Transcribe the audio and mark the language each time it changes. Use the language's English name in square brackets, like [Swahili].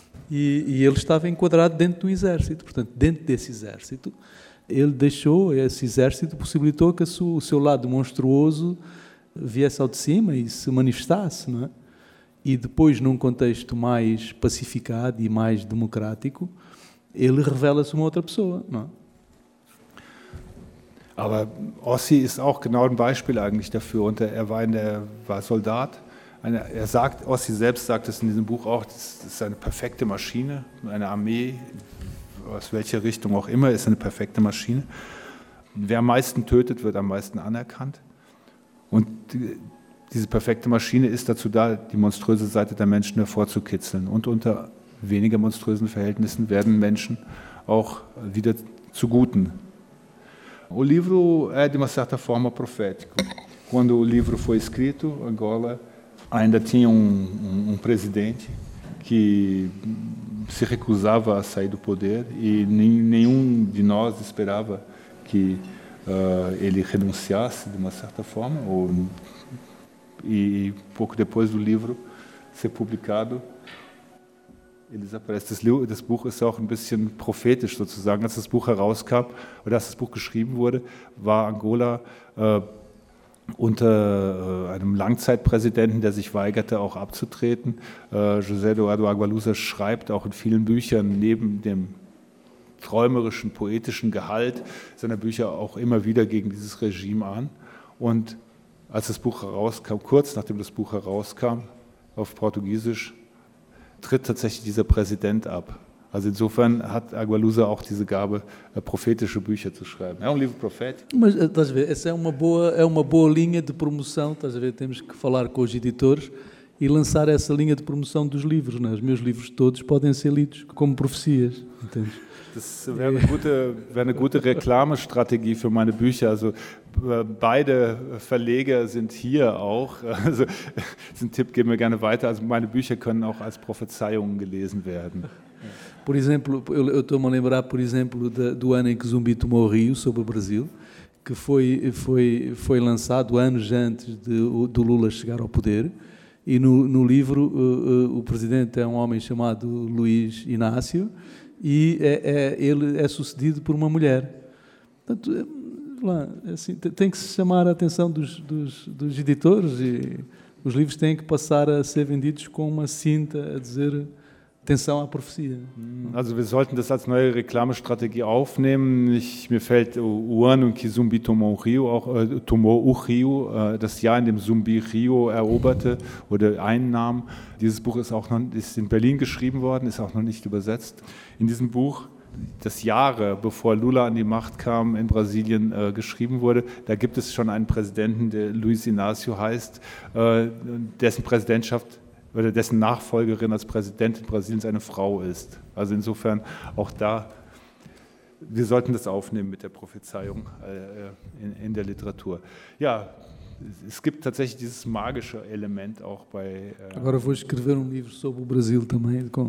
[Portuguese] E ele estava enquadrado dentro do exército. Portanto, dentro desse exército, ele deixou, esse exército possibilitou que o seu lado monstruoso viesse ao de cima e se manifestasse. Não é? E depois, num contexto mais pacificado e mais democrático, ele revela-se uma outra pessoa. Não é? [German] Aber Ossi ist auch genau ein Beispiel eigentlich dafür. Und er war war Soldat. Er sagt, Ossi selbst sagt es in diesem Buch auch, das ist eine perfekte Maschine, eine Armee, aus welcher Richtung auch immer, ist eine perfekte Maschine. Wer am meisten tötet, wird am meisten anerkannt. Und diese perfekte Maschine ist dazu da, die monströse Seite der Menschen hervorzukitzeln. Und unter weniger monströsen Verhältnissen werden Menschen auch wieder zu Guten. [Portuguese] O livro é, de uma certa forma, profético. Quando o livro foi escrito, Angola ainda tinha um presidente que se recusava a sair do poder e nenhum de nós esperava que ele renunciasse, de uma certa forma. E pouco depois do livro ser publicado, eles aparecem. [German] Das Buch ist auch ein bisschen prophetisch sozusagen. Als das Buch herauskam oder als das Buch geschrieben wurde, war Angola unter einem Langzeitpräsidenten, der sich weigerte, auch abzutreten. José Eduardo Agualusa schreibt auch in vielen Büchern neben dem träumerischen, poetischen Gehalt seiner Bücher auch immer wieder gegen dieses Regime an. Und als das Buch herauskam, kurz nachdem das Buch herauskam, auf Portugiesisch, tritt tatsächlich dieser Präsident ab. Also insofern hat Agualusa auch diese Gabe, prophetische Bücher zu schreiben. [Portuguese] É um livro profético. Mas, estás a ver, essa é uma boa linha de promoção, estás a ver, temos que falar com os editores e lançar essa linha de promoção dos livros, né? Os meus livros todos podem ser lidos como profecias, entende? [German] Das wäre eine gute Reklamestrategie für meine Bücher. Also beide Verleger sind hier auch. Also diesen Tipp geben wir gerne weiter. Also meine Bücher können auch als Prophezeiungen gelesen werden. [Portuguese] Por exemplo, eu estou-me a lembrar, por exemplo, do ano em que Zumbi tomou o Rio sobre o Brasil, que foi lançado anos antes do Lula chegar ao poder. E no livro, o presidente é um homem chamado Luiz Inácio, e ele é sucedido por uma mulher. Portanto, assim, tem que se chamar a atenção dos editores e os livros têm que passar a ser vendidos com uma cinta a dizer atenção à profecia. [German] Also wir sollten das als neue Reklamestrategie aufnehmen. Mir fällt o ano em que Zumbi tomou o Rio, das Jahr, in dem Zumbi Rio eroberte oder einnahm. Dieses Buch ist in Berlin geschrieben worden, ist auch noch nicht übersetzt. In diesem Buch, das Jahre bevor Lula an die Macht kam, in Brasilien geschrieben wurde, da gibt es schon einen Präsidenten, der Luiz Inácio heißt, dessen Präsidentschaft oder dessen Nachfolgerin als Präsidentin Brasiliens eine Frau ist. Also insofern auch da, wir sollten das aufnehmen mit der Prophezeiung in der Literatur. Ja, es gibt tatsächlich dieses magische Element auch bei... [Portuguese] Agora vou escrever livro sobre o Brasil também.